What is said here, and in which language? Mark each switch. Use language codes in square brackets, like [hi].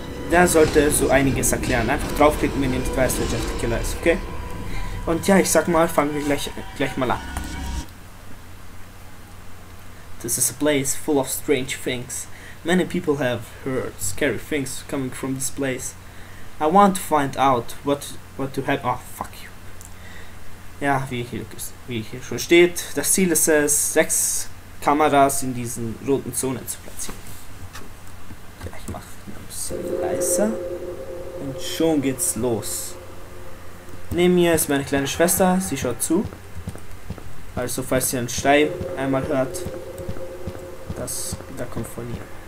[de] Der sollte so einiges erklären. Einfach draufklicken, wenn ihr nicht weiß, wer Jeff the Killer ist, okay? Und ja, ich sag mal, fangen wir gleich mal an. [en] This is a place full of strange things. Many people have heard scary things coming from this place. I want to find out what to have. Oh, fuck you. [de] Ja, wie hier schon steht, das Ziel ist es, 6 Kameras in diesen roten Zonen zu platzieren. Ja, ich mach ein bisschen leiser. Und schon geht's los. Neben mir ist meine kleine Schwester, sie schaut zu. Also, falls sie einen Schrei einmal hört, da kommt von ihr.